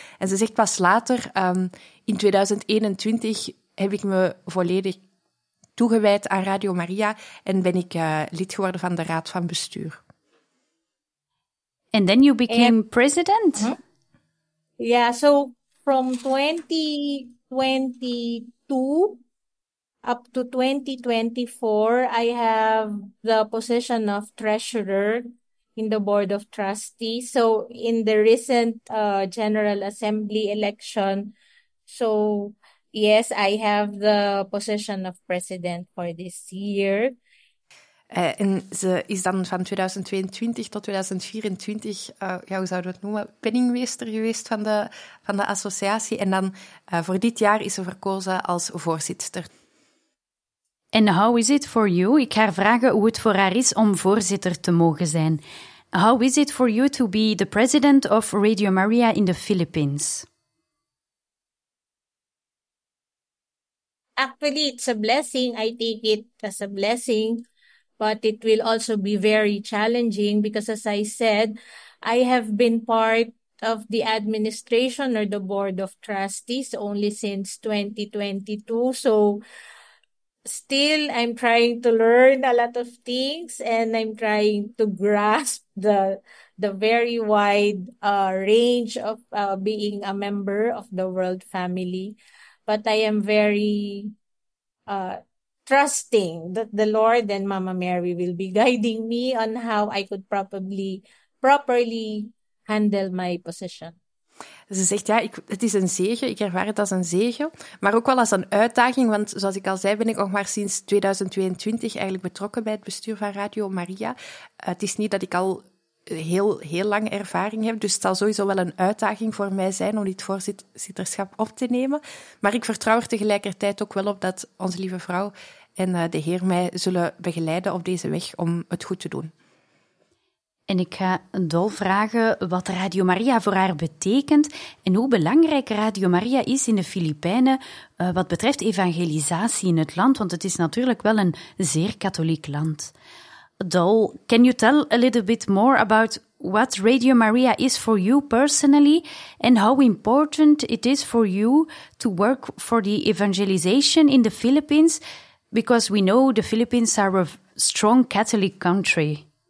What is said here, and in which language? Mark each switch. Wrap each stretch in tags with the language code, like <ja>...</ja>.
<nl>En ze zegt pas later, in 2021, heb ik me volledig toegewijd aan Radio Maria en ben ik lid geworden van de Raad van Bestuur.</nl> <en>And then you became president? Huh? Yeah, so from 2022 up to 2024, I have the position of treasurer in the Board of Trustees. So in the recent General Assembly election, so yes, I have the position of president for this year.</en> <nl>En ze is dan van 2022 tot 2024, ja, hoe zouden we het noemen, penningmeester geweest van de associatie. En dan voor dit jaar is ze verkozen als voorzitter.</nl> <en>En how is it for you?</en> <nl>Ik ga haar vragen hoe het voor haar is om voorzitter te mogen zijn.</nl> <en>How is it for you to be the president of Radio Maria in the Philippines? Actually, it's a blessing. I take it as a blessing. But it will also be very challenging because, as I said, I have been part of the administration or the Board of Trustees only since 2022. So still, I'm trying to learn a lot of things and I'm trying to grasp the very wide range of being a member of the world family. But I am very trusting that the Lord and Mama Mary will be guiding me on how I could properly handle my position.</en> <nl>Ze zegt, ja, het is een zegen, ik ervaar het als een zegen, maar ook wel als een uitdaging, want zoals ik al zei, ben ik nog maar sinds 2022 eigenlijk betrokken bij het bestuur van Radio Maria. Het is niet dat ik al heel, heel lang ervaring heb, dus het zal sowieso wel een uitdaging voor mij zijn om dit voorzitterschap op te nemen. Maar ik vertrouw er tegelijkertijd ook wel op dat onze lieve vrouw en de Heer mij zullen begeleiden op deze weg om het goed te doen. En ik ga Dol vragen wat Radio Maria voor haar betekent en hoe belangrijk Radio Maria is in de Filipijnen wat betreft evangelisatie in het land, want het is natuurlijk wel een zeer katholiek land.</nl> <en>Dol, can you tell a little bit more about what Radio Maria is for you personally and how important it is for you to work for the evangelization in the Philippines? Because we know the Philippines are a strong Catholic country.</en>